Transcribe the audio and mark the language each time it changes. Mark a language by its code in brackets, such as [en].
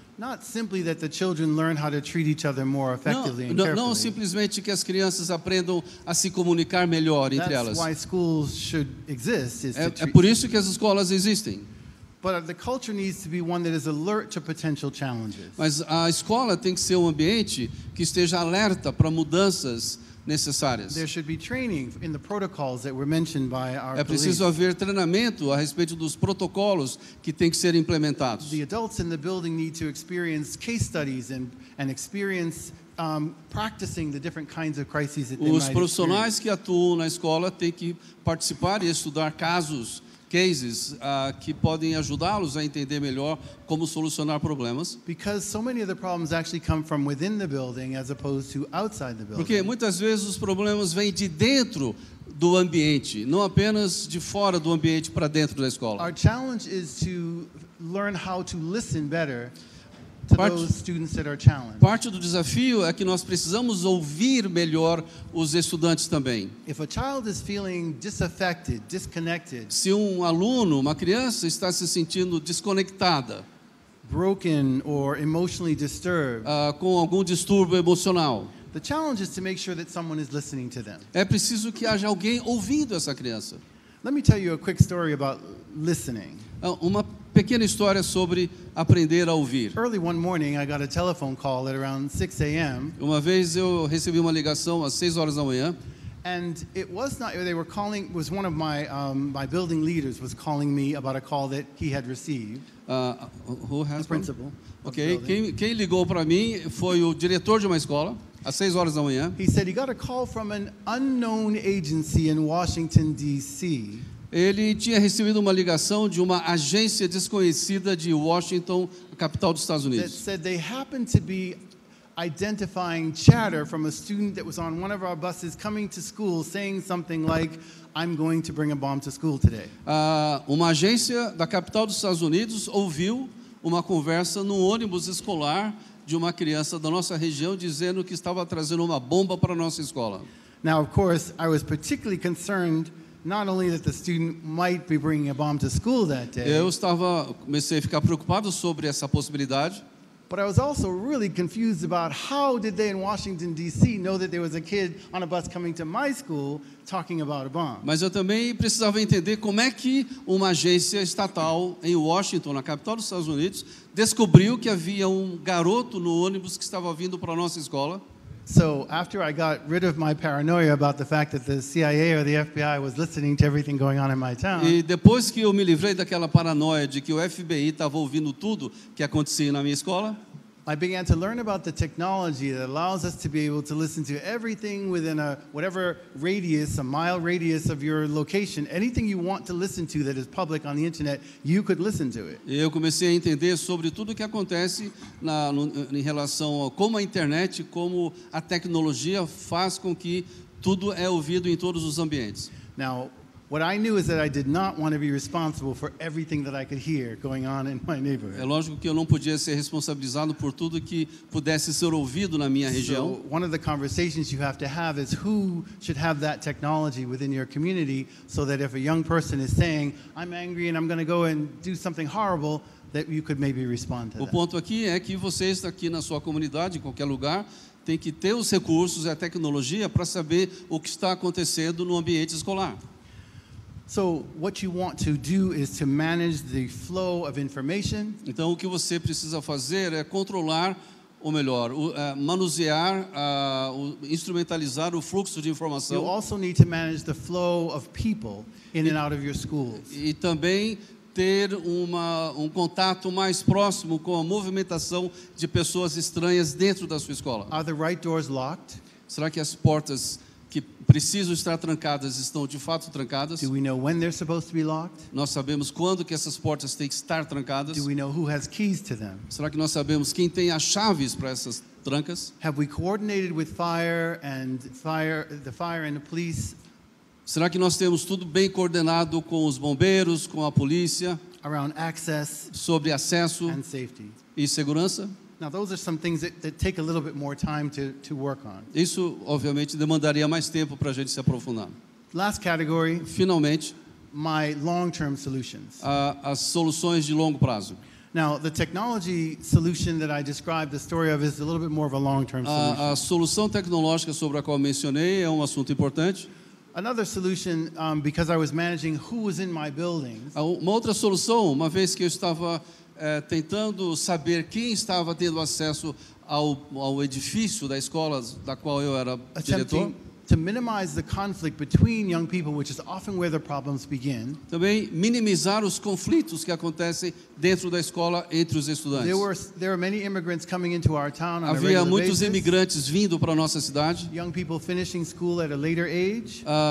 [en] Not simply that the children learn how to treat each other more effectively and carefully. [pt] Não simplesmente que as crianças aprendam a se comunicar melhor [en] That's [pt] entre elas. [en] Why schools should exist, is [pt] é por isso que as escolas existem. [en] But the culture needs to be one that is alert to potential challenges. [pt] Mas a escola tem que ser ambiente que esteja alerta para mudanças necessárias. [en] There should be training in the protocols that were mentioned by our police. [pt] É preciso haver treinamento a respeito dos protocolos que têm que ser implementados. [en] The adults in the building need to experience case studies and experience practicing the different kinds of crises that they might experience. [pt] Os profissionais que atuam na escola têm que participar e estudar casos, cases que podem ajudá-los a entender melhor como solucionar problemas. [en] Because so many of the problems actually come from within the building as opposed to outside the building. [pt] Porque muitas vezes os problemas vêm de dentro do ambiente, não apenas de fora do ambiente para dentro da escola. [en] Our challenge is to learn how to listen better to those students that are challenged. [pt] Parte do desafio é que nós precisamos ouvir melhor os estudantes também. [en] If a child is feeling disaffected, disconnected, [pt] se um aluno, uma criança está se sentindo desconectada, [en] broken or emotionally disturbed. [pt] Com algum distúrbio emocional. [en] The challenge is to make sure that someone is listening to them. [pt] É preciso que haja alguém ouvindo essa criança. [en] Let me tell you a quick story about listening. [pt] Uma pequena história sobre aprender a ouvir. [en] Early one morning, I got a telephone call at around 6 a.m. [pt] Uma vez eu recebi uma ligação às 6 horas da manhã. [en] And it was not, they were calling, was one of my my building leaders was calling me about a call that he had received. Who has the principal? [pt] Okay, quem ligou para mim foi o diretor de uma escola, às 6 horas da manhã. [en] He said he got a call from an unknown agency in Washington, D.C. [pt] Ele tinha recebido uma ligação de uma agência desconhecida de Washington, capital dos Estados Unidos. [en] That said they happened to be identifying chatter from a student that was on one of our buses coming to school saying something like, I'm going to bring a bomb to school today. [pt] Uma agência da capital dos Estados Unidos ouviu uma conversa no ônibus escolar de uma criança da nossa região dizendo que estava trazendo uma bomba para a nossa escola. [en] Now, of course, I was particularly concerned not only that the student might be bringing a bomb to school that day. [pt] Eu estava, comecei a ficar preocupado sobre essa possibilidade. [en] But I was also really confused about how did they in Washington D.C. know that there was a kid on a bus coming to my school talking about a bomb. [pt] Mas eu também precisava entender como é que uma agência estatal em Washington, na capital dos Estados Unidos, descobriu que havia um garoto no ônibus que estava vindo para a nossa escola. [en] So after I got rid of my paranoia about the fact that the CIA or the FBI was listening to everything going on in my town. [pt] E depois que eu me livrei daquela paranoia de que o FBI estava ouvindo tudo que acontecia na minha escola, [en] I began to learn about the technology that allows us to be able to listen to everything within a whatever radius, a mile radius of your location. Anything you want to listen to that is public on the internet, you could listen to it. [pt] Eu comecei a entender sobre tudo o que acontece em relação a como a internet, como a tecnologia faz com que tudo é ouvido em todos os ambientes. [en] Now, what I knew is that I did not want to be responsible for everything that I could hear going on in my neighborhood. [pt] É lógico que eu não podia ser responsabilizado por tudo que pudesse ser ouvido na minha região. [en] So one of the conversations you have to have is who should have that technology within your community so that if a young person is saying, I'm angry and I'm going to go and do something horrible, that you could maybe respond to that. [pt] O ponto aqui é que você está aqui na sua comunidade, em qualquer lugar, tem que ter os recursos e a tecnologia para saber o que está acontecendo no ambiente escolar. [en] So what you want to do is to manage the flow of information. [pt] Então o que você precisa fazer é controlar, ou melhor, manusear, instrumentalizar o fluxo de informação. [en] You also need to manage the flow of people in and out of your schools. [pt] E também ter um contato mais próximo com a movimentação de pessoas estranhas dentro da sua escola. [en] Are the right doors locked? [pt] Será que as portas que precisam estar trancadas, estão de fato trancadas? [en] Do we know when they're supposed to be locked? [pt] Nós sabemos quando que essas portas têm que estar trancadas? [en] Do we know who has keys to them? [pt] Será que nós sabemos quem tem as chaves para essas trancas? [en] Have we coordinated with the fire and the police? [pt] Será que nós temos tudo bem coordenado com os bombeiros, com a polícia? [en] Around access, [pt] sobre acesso [en] and safety. [pt] E segurança? [en] Now those are some things that take a little bit more time to work on. [pt] Isso obviamente demandaria mais tempo para a gente se aprofundar. [en] Last category. [pt] Finalmente, [en] my long-term solutions. [pt] As soluções de longo prazo. [en] Now the technology solution that I described the story of is a little bit more of a long-term solution. [pt] A solução tecnológica sobre a qual eu mencionei é um assunto importante. [en] Another solution, because I was managing who was in my buildings. [pt] Uma outra solução, uma vez que eu estava tentando saber quem estava tendo acesso ao edifício da escola da qual eu era diretor. [en] To minimize the conflict between young people, which is often where the problems begin. [pt] Também minimizar os conflitos que acontecem dentro da escola entre os estudantes. [en] There were many immigrants coming into our town on [pt] Havia [en] a regular basis. [pt] Havia muitos imigrantes vindo para nossa cidade. [en] Young people finishing school at a later age.